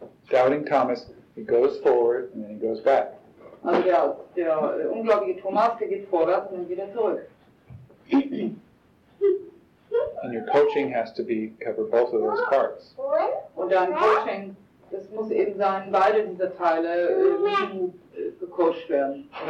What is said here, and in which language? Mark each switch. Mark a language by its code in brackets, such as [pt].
[en] Doubting Thomas, he goes forward and then he goes back. [de] Also der ungläubige Thomas, der geht vorwärts und dann wieder zurück. [en] And your coaching has to be cover both of those parts. [de] Und dein Coaching, das muss eben sein, beide dieser Teile gecoacht werden.